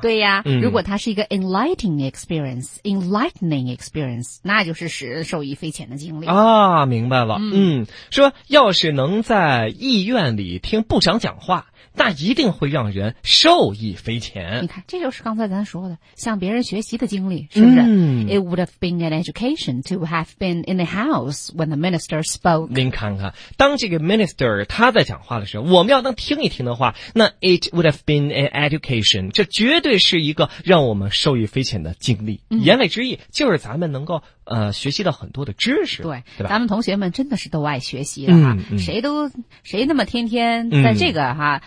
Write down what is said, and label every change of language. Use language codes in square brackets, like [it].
[zh] 对呀，如果它是一个 [en] enlightening experience， [zh] 那就是使人受益匪浅的经历啊。明白了，说要是能在医院里听部长讲话，那一定会让人受益匪浅。你看，这就是刚才咱说的向别人学习的经历，是不是？ [en] It would have been an education to have been in the house when the minister spoke。 [zh] 您看看，当这个 minister 他在讲话的时候，我们要能听一听的话，那 [en] it would have been an education， [zh] 这绝对是一个让我们受益匪浅的经历。言外之意就是咱们能够学习到很多的知识。对，对吧，咱们同学们真的是都爱学习的哈，谁那么天天在这个哈